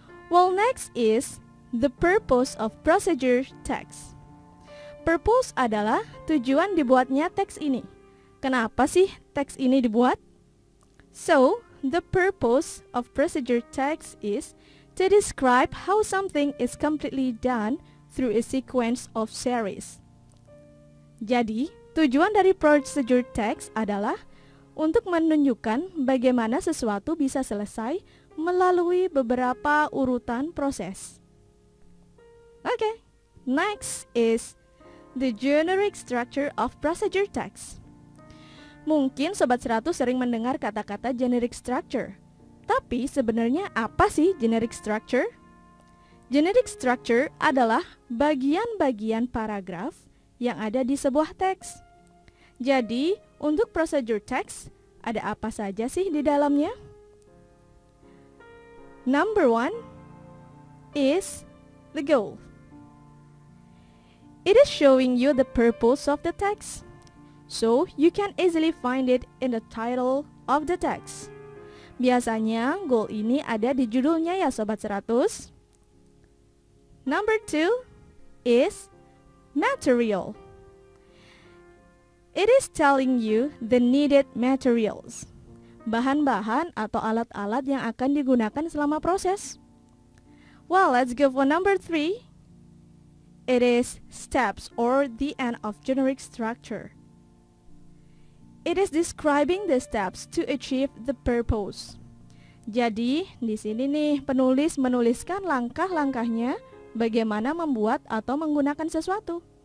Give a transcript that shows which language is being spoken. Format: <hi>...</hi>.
<en>Well, next is the purpose of procedure text.</en> <id>Purpose adalah tujuan dibuatnya teks ini. Kenapa sih teks ini dibuat?</id> <en>So, the purpose of procedure text is to describe how something is completely done through a sequence of series.</en> <id>Jadi, tujuan dari procedure text adalah untuk menunjukkan bagaimana sesuatu bisa selesai melalui beberapa urutan proses.</id> <en>Okay, next is the generic structure of procedure text.</en> <id>Mungkin Sobat 100 sering mendengar kata-kata generic structure. Tapi sebenarnya apa sih generic structure? Generic structure adalah bagian-bagian paragraf yang ada di sebuah teks. Jadi, untuk procedure text, ada apa saja sih di dalamnya?</id> <en>Number one is the goal. It is showing you the purpose of the text, so you can easily find it in the title of the text.</en> <id>Biasanya, goal ini ada di judulnya ya, Sobat 100.</id> <en>Number two is material. It is telling you the needed materials.</en> <id>Bahan-bahan atau alat-alat yang akan digunakan selama proses.</id> <en>Well, let's go for number three. It is steps or the end of generic structure. It is describing the steps to achieve the purpose.</en> <id>Jadi, di sini nih penulis menuliskan langkah-langkahnya bagaimana membuat atau menggunakan sesuatu.</id>